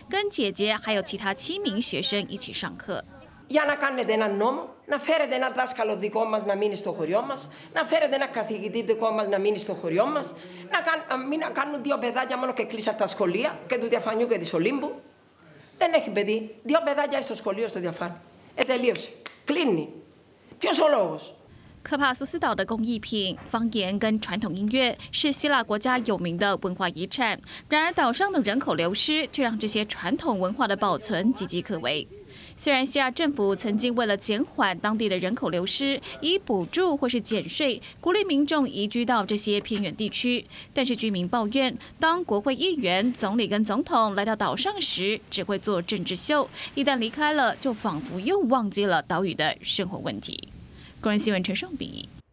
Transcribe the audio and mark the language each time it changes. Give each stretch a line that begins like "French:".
Chinese: 过去在1960年代，岛上约有60名学生，但随着居民外出工作定居，没有回家乡发展。目前学校只剩下2名学生，一位11岁，一位8岁。11岁的瓦西利斯预计下半年开始就会转往奥林帕斯的国中，跟姐姐还有其他7名学生一起上课。
Greek: Για να κάνετε έναν νόμο, να φέρετε έναν δάσκαλο δικό μας να μείνει στο χωριό μας, να φέρετε έναν καθηγητή δικό μας να μείνει στο χωριό μας, να μην κάνουν δύο παιδάκια μόνο και κλείσαν τα σχολεία και του Διαφανιού και της Ολύμπου. Δεν έχει παιδί. Δύο παιδάκια στο σχολείο στο Διαφάνι. Τελείωσε. Κλείνει. Ποιος ο λόγος.
Chinese: 科帕苏斯岛的工艺品、方言跟传统音乐是希腊国家有名的文化遗产。然而，岛上的人口流失却让这些传统文化的保存岌岌可危。虽然希腊政府曾经为了减缓当地的人口流失，以补助或是减税鼓励民众移居到这些偏远地区，但是居民抱怨，当国会议员、总理跟总统来到岛上时，只会做政治秀；一旦离开了，就仿佛又忘记了岛屿的生活问题。《国际新闻》陈尚比。